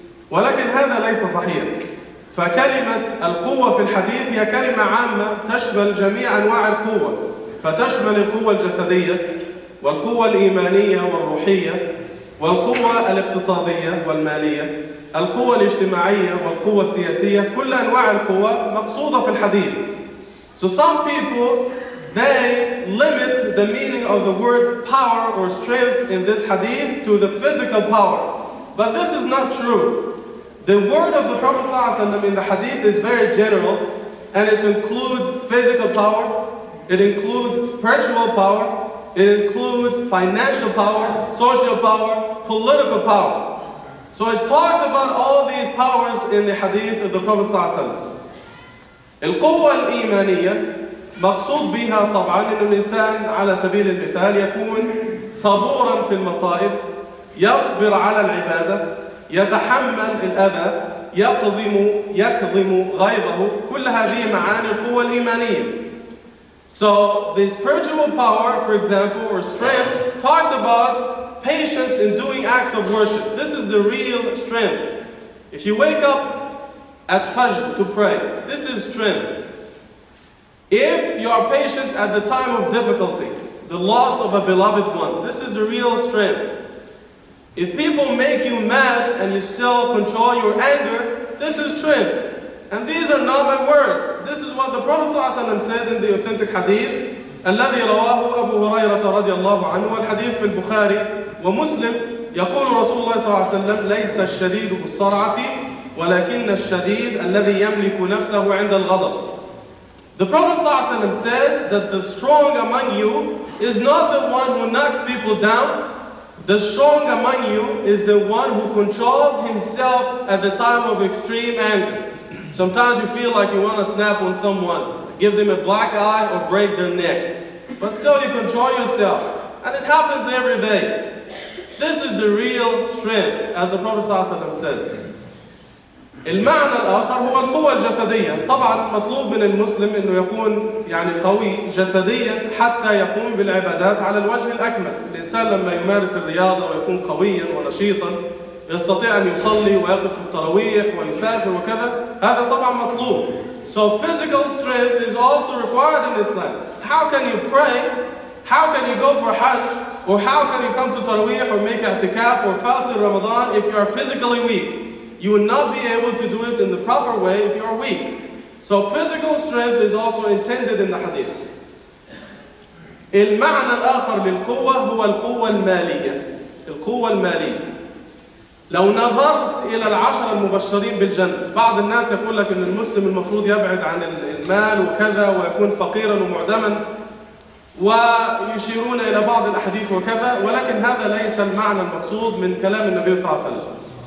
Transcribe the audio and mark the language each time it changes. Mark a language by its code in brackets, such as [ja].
[ar] ولكن هذا ليس صحيح. فكلمة القوة في الحديث هي كلمة عامة تشمل جميع انواع القوة. فتشمل القوة الجسدية والقوة الإيمانية والروحية والقوة الاقتصادية والمالية. القوة الاجتماعية والقوة السياسية, كل أنواع القوة مقصودة في الحديث. [en] So some people, they limit the meaning of the word power or strength in this hadith to the physical power. But this is not true. The word of the Prophet ﷺ in the hadith is very general, and it includes physical power, it includes spiritual power, it includes financial power, social power, political power. So it talks about all these powers in the hadith of the Prophet صلى الله عليه وسلم. [ar] القوة الإيمانية مقصود بها طبعا أن الإنسان على سبيل المثال يكون صبورا في المصائب, يصبر على العبادة, يتحمل الأذى, يكظم غيظه. كل هذه معاني القوة الإيمانية. [en] So the spiritual power, for example, or strength, talks about patience in doing acts of worship. This is the real strength. If you wake up at Fajr to pray, this is strength. If you are patient at the time of difficulty, the loss of a beloved one, this is the real strength. If people make you mad and you still control your anger, this is strength. And these are not my words. This is what the Prophet ﷺ said in the authentic hadith, [ar] الذي رواه أبو هريرة رضي الله عنه, والحديث في البخاري ومسلم. يقول رسول الله صلى الله عليه وسلم, ليس الشديد بالصرعة ولكن الشديد الذي يملك نفسه عند الغضب. [en] The Prophet صلى الله عليه وسلم says that the strong among you is not the one who knocks people down. The strong among you is the one who controls himself at the time of extreme anger. Sometimes you feel like you want to snap on someone, give them a black eye or break their neck. But still you control yourself. And it happens every day. This is the real strength, as the Prophet صلى الله عليه وسلم says. [ar] المعنى الآخر هو القوة الجسدية. طبعا مطلوب من المسلم أنه يكون يعني قوي جسديا حتى يقوم بالعبادات على الوجه الأكمل. الإنسان لما يمارس الرياضة ويكون قويا ونشيطا يستطيع أن يصلي ويقف في التراويح ويسافر وكذا, هذا طبعا مطلوب. [en] So physical strength is also required in Islam. How can you pray? How can you go for Hajj? Or how can you come to Tarawih or make i'tikaf or fast in Ramadan if you are physically weak? You will not be able to do it in the proper way if you are weak. So physical strength is also intended in the hadith. [ar] المعنى الآخر للقوة هو القوة المالية. القوة المالية. لو نظرت إلى العشر المبشرين بالجنة, بعض الناس يقول لك أن المسلم المفروض يبعد عن المال وكذا ويكون فقيرا ومعدما, ويشيرون إلى بعض الأحاديث وكذا, ولكن هذا ليس المعنى المقصود من كلام النبي صلى الله عليه وسلم.